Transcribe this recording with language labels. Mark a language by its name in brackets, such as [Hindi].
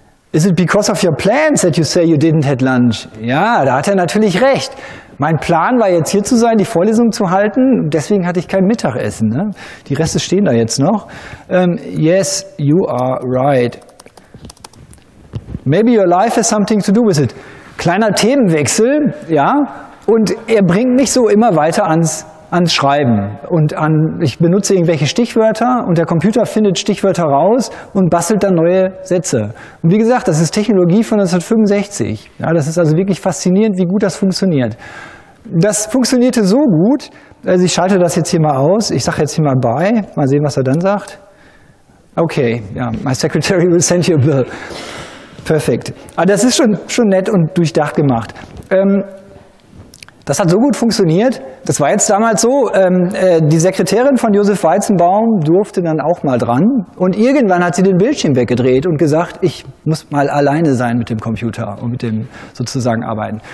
[English] Is it because of your plans that you say you didn't had lunch? [German] Ja, da hat er natürlich recht. Mein Plan war jetzt hier zu sein, die Vorlesung zu halten. Deswegen hatte ich kein Mittagessen. Ne? Die Reste stehen da jetzt noch. [English] Yes, you are right. Maybe your life has something to do with it. [German] Kleiner Themenwechsel, ja. Und er bringt mich so immer weiter ans Schreiben. Und ich benutze irgendwelche Stichwörter und der Computer findet Stichwörter raus und bastelt dann neue Sätze. Und wie gesagt, das ist Technologie von 1965. Ja, das ist also wirklich faszinierend, wie gut das funktioniert. Das funktionierte so gut, also ich schalte das jetzt hier mal aus, ich sage jetzt hier mal bye, mal sehen, was er dann sagt. [English] Okay, ja, my secretary will send you a bill. [German] Perfekt. Aber das ist schon nett und durchdacht gemacht. Das hat so gut funktioniert, das war jetzt damals so, die Sekretärin von Josef Weizenbaum durfte dann auch mal dran und irgendwann hat sie den Bildschirm weggedreht und gesagt, ich muss mal alleine sein mit dem Computer und mit dem sozusagen arbeiten.